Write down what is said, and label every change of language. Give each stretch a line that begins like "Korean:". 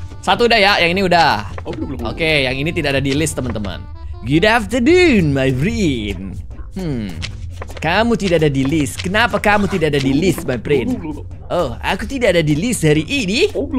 Indonesian: Satu udah ya, yang ini udah. Oke, yang ini tidak ada di list teman-teman.
English: Good afternoon, my friend.
Indonesian: Kamu tidak ada di list. Kenapa kamu tidak ada di list,
English: my friend?
Indonesian: Oh, aku tidak ada di list hari ini.